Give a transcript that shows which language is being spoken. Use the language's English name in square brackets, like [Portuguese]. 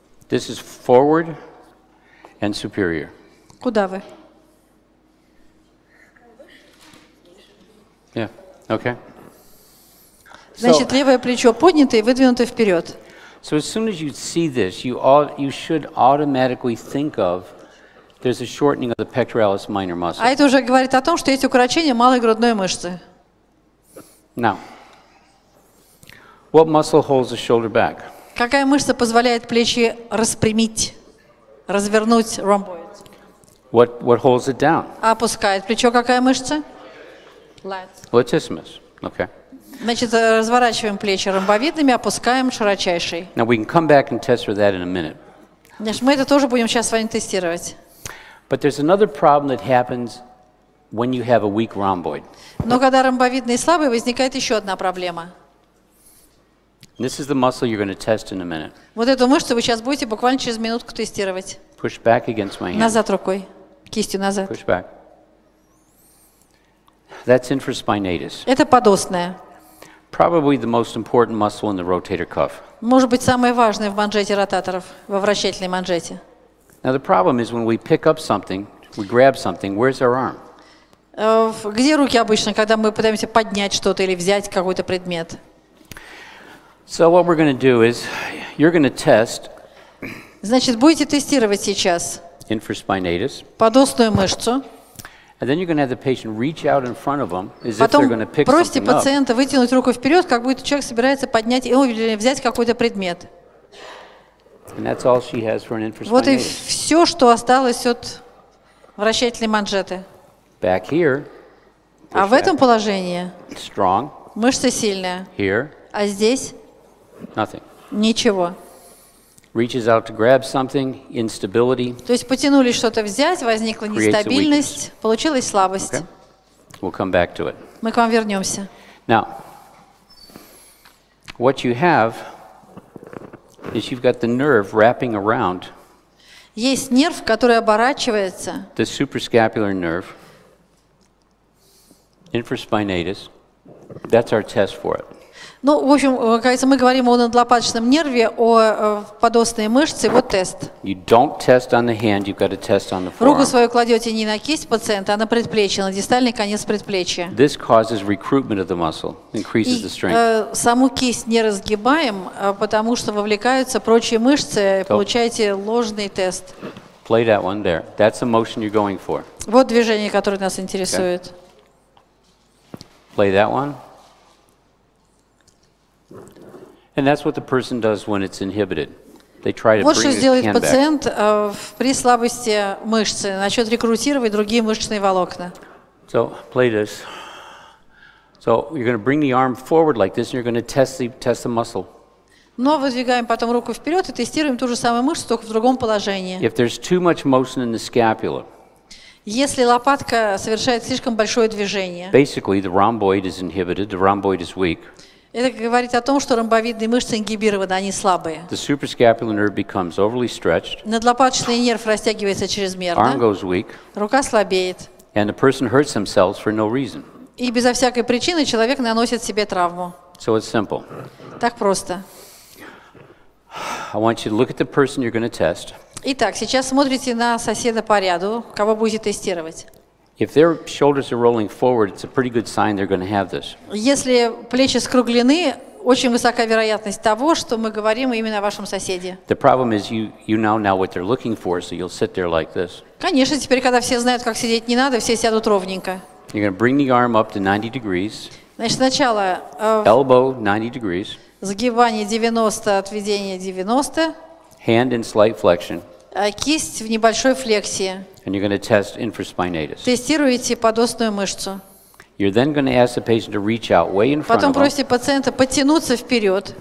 [English] This is forward and superior. [Russian] Куда вы? [English] Yeah. Okay. [Russian] Значит, левое плечо поднято и выдвинуто вперед. [English] So as soon as you see this, you should automatically think of there's a shortening of the pectoralis minor muscle. [Russian] А это уже говорит о том, что есть укорочение малой грудной мышцы. [English] Now, what muscle holds the shoulder back? [Russian] Какая мышца позволяет плечи распрямить, развернуть ромбоид? [English] What holds it down? [Russian] Опускает плечо какая мышца? Латисимус. Okay. Значит, разворачиваем плечи ромбовидными, опускаем широчайший. [English] Now we can come back and test for that in a minute. [Russian] Значит, мы это тоже будем сейчас с вами тестировать. [English] But there's another problem that happens when you have a weak rhomboid. [Russian] Но когда ромбовидный слабый, возникает еще одна проблема. [English] This is the muscle you're going to test in a minute. [Russian] Вот эту мышцу вы сейчас будете буквально через минутку тестировать. [English] Push back against my hand. [Russian] Назад рукой, кистью назад. [English] Push back. That's infraspinatus. [Russian] Это подостная. [English] Probably the most important muscle in the rotator cuff. [Russian] Может быть, самое важное в манжете ротаторов, во вращательной манжете. [English] Now the problem is when we pick up something, we grab something, where's our arm? [Russian] Где руки обычно, когда мы пытаемся поднять что-то или взять какой-то предмет? [English] So what we're going to do is you're going to test. [Russian] Значит, будете тестировать сейчас. [English] Infraspinatus. [Russian] Подостную мышцу. [English] And then you're going to have the patient reach out in front of them as if they're going to pick [Russian] Потом просите пациента вытянуть руку вперед, как будто человек собирается поднять или взять какой-то предмет. [English] And that's all she has for an infraspinatus. [Russian] Вот и все, что осталось от вращательной манжеты. [English] Back here. [Russian] А в этом положении. [English] Strong. [Russian] Мышца сильная. [English] Here. [Russian] А здесь? [English] Nothing. [Russian] Ничего. [English] Reaches out to grab something, instability. [Russian] То есть потянулись что-то взять, возникла нестабильность, получилась слабость. [English] Okay. We'll come back to it. [Russian] Мы к вам вернемся. [English] Now, what you have is you've got the nerve wrapping around. [Russian] Есть нерв, который оборачивается. [English] The suprascapular nerve, infraspinatus. That's our test for it. [Russian] Ну, в общем, кажется, мы говорим о надлопаточном нерве, о подостной мышце, вот тест. [English] You don't test on the hand, you've got to test on the forearm. [Russian] Руку свою кладете не на кисть пациента, а на предплечье, на дистальный конец предплечья. [English] This causes recruitment of the muscle, increases the strength. [Russian] Саму кисть не разгибаем, потому что вовлекаются прочие мышцы, получаете ложный тест. [English] Play that one there. That's the motion you're going for. [Russian] Вот движение, которое нас интересует. [English] Okay. Play that one. And that's what the person does when it's inhibited. They try to [Russian] вот [English] bring [Russian] что сделает [English] the [Russian] пациент [English] back. [Russian] При слабости мышцы, начнет рекрутировать другие мышечные волокна. [English] So play this. So you're going to bring the arm forward like this, and you're going to test the muscle. [Russian] Но выдвигаем потом руку вперед и тестируем ту же самую мышцу, только в другом положении. [English] If there's too much motion in the scapula. [Russian] Если лопатка совершает слишком большое движение. [English] Basically, the rhomboid is inhibited. The rhomboid is weak. [Russian] Это говорит о том, что ромбовидные мышцы ингибированы, они слабые. [English] The suprascapular nerve becomes overly stretched. [Russian] Надлопаточный нерв растягивается чрезмерно. [English] Arm goes weak. [Russian] Рука слабеет. [English] And the person hurts themselves for no reason. [Russian] И безо всякой причины человек наносит себе травму. [English] So it's simple. [Russian] Так просто. [English] I want you to look at the person you're going to test. [Russian] Итак, сейчас смотрите на соседа по ряду, кого будете тестировать. [English] If their shoulders are rolling forward, it's a pretty good sign they're going to have this. [Russian] Если плечи скруглены, очень высока вероятность того, что мы говорим именно о вашем соседе. [English] The problem is you now know what they're looking for, so you'll sit there like this. [Russian] Конечно, теперь, когда все знают, как сидеть не надо, все сядут ровненько. [English] You're going to bring the arm up to 90 degrees. [Russian] Значит, сначала [English] elbow 90 degrees. [Russian] Сгибание 90, отведение 90. [English] Hand in slight flexion. [Russian] Кисть в небольшой флексии. [English] And you're going to test infraspinatus. [Russian] Тестируете подостную мышцу. [English] You're then going to ask the patient to reach out way in front of them. [Russian] Потом просите пациента подтянуться вперед.